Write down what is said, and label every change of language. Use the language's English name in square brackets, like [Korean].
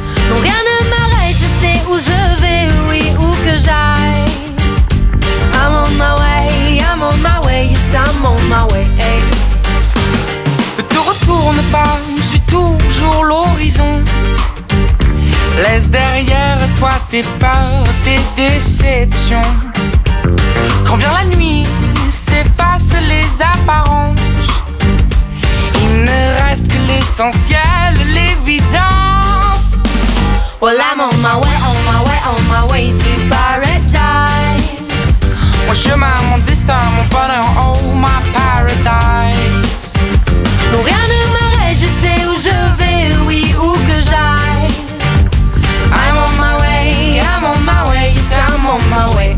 [French] Non, rien ne m'arrête, je sais où je vais, oui, où que j'aille. [English] I'm on my way, I'm on my way, yes, I'm on my way. Hey. [French] Ne te retourne pas, je suis toujours l'horizon. Laisse derrière toi tes peurs, tes déceptions. Quand vient la nuit, s'effacent les apparences. Il ne reste que l'essentiel, l'évidence. [English] Well, I'm on my way, on my way, on my way to paradise. [French] Mon chemin, mon destin, mon bonheur, [English] oh my paradise. [French] Non, rien ne m'arrête, je sais où je vais, oui, où que j'aille. [English] I'm on my way, I'm on my way, yes, I'm on my way.